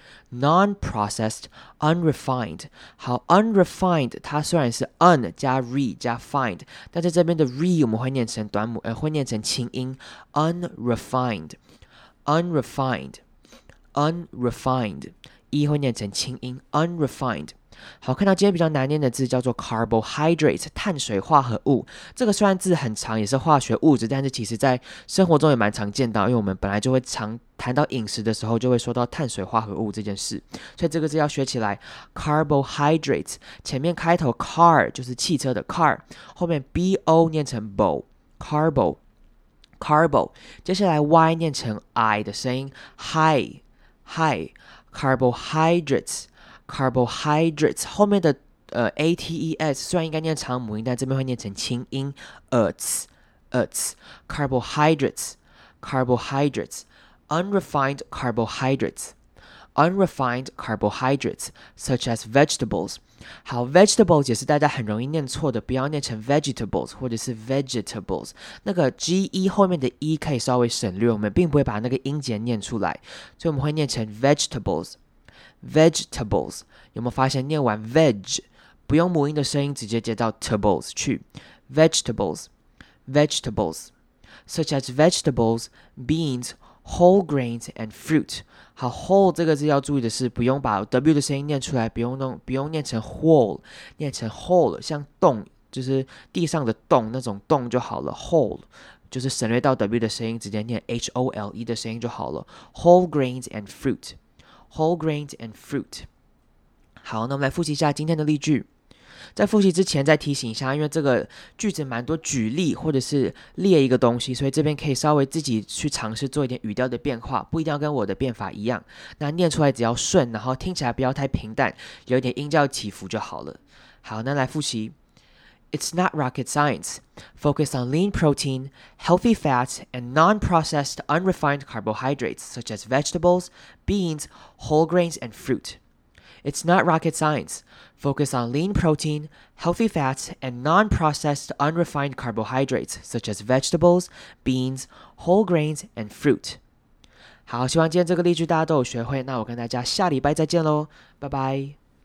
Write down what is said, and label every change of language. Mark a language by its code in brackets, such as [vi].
[zh] non-processed unrefined。 好， unrefined 它虽然是 un 加 re 加 find， 但是这边的 re 我们会念成短母会念成轻音 unrefined unrefined unrefined， e 会念成轻音 unrefined。好，看到今天比较难念的字叫做 carbohydrate， 碳水化合物。这个虽然字很长，也是化学物质，但是其实在生活中也蛮常见到，因为我们本来就会常谈到饮食的时候就会说到碳水化合物这件事，所以这个字要学起来。 carbohydrate 前面开头 car 就是汽车的 car， 后面 bo 念成 bo， carbo carbo， 接下来 y 念成 i 的声音 high high， carbohydratescarbohydrates， 后面的ates 虽然应该念长母音，但这边会念成轻音 ats carbohydrates carbohydrates [en] unrefined carbohydrates unrefined carbohydrates such as vegetables。 [zh] 好， vegetables 也是大家很容易念错的，不要念成 vegetables 或者是 vegetables， 那个 ge 后面的 e 可以稍微省略，我们并不会把那个音节念出来，所以我们会念成 vegetablesVegetables， 有没有发现念完 veg 不用母音的声音直接接到 tables 去？ [en] Vegetables， vegetables， such as vegetables, beans, whole grains, and fruit。 [zh] 好， whole 这个字要注意的是，不用把 w 的声音念出来，不用念成 whole， 念成 whole， 像洞就是地上的洞那种洞就好了。 whole 就是省略到 w 的声音，直接念 hole 的声音就好了。 [en] whole grains and fruitWhole grains and fruit。 [zh] 好，那我们来复习一下今天的例句。在复习之前再提醒一下，因为这个句子蛮多举例或者是列一个东西，所以这边可以稍微自己去尝试做一点语调的变化，不一定要跟我的变法一样，那念出来只要顺，然后听起来不要太平淡，有点音调起伏就好了。好，那来复习。 [en] It's not rocket science. Focus on lean protein, healthy fats, and non-processed unrefined carbohydrates such as vegetables, beans, whole grains, and fruit. It's not rocket science. Focus on lean protein, healthy fats, and non-processed unrefined carbohydrates such as vegetables, beans, whole grains, and fruit. [zh] 好，希望今天这个例句大家都有学会，那我跟大家下礼拜再见咯，拜拜。